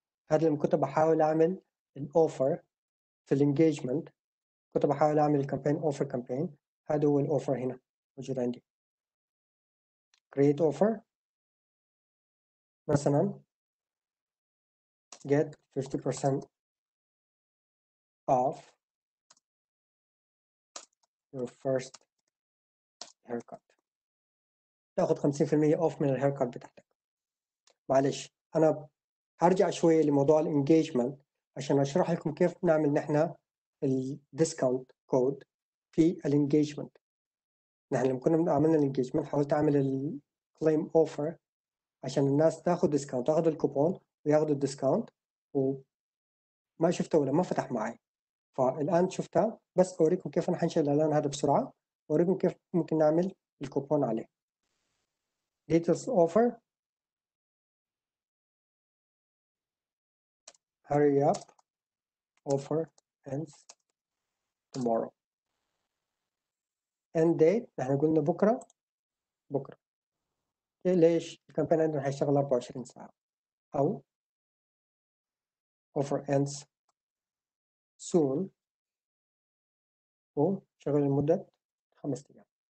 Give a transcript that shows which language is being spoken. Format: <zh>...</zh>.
<ar>هذا لما كنت بحاول اعمل الاوفر في الانجيجمنت، كنت بحاول اعمل الكامبين اوفر كامبين، هذا هو الاوفر هنا موجود عندي.</ar> <en>create offer</en> <ar>مثلا</ar> <en>get 50% off your first haircut.</en> <ar>تاخذ</ar> <en>50% off</en> <ar>من الهير كات بتاعتك. معلش انا هرجع شويه لموضوع الانجيجمنت عشان اشرح لكم كيف نعمل نحن الديسكاونت كود في الانجيجمنت. نحن لما كنا عملنا الانجيجمنت حاولت اعمل الكليم اوفر عشان الناس تاخذ ديسكاونت، تاخذ الكوبون وياخذوا الديسكاونت، وما شفته ولا ما فتح معي. فالان شفتها، بس اوريكم كيف حنشيل الاعلان هذا بسرعه، اوريكم كيف ممكن نعمل الكوبون عليه.</ar> <en>Details offer hurry up offer ends tomorrow end date.</en> <ar>نحن قلنا بكره بكره. ليش الكامبين عندنا هيشتغل 24 ساعه؟ او</ar> <en>offer ends soon</en> <ar>وشغل لمده 5 ايام.</ar>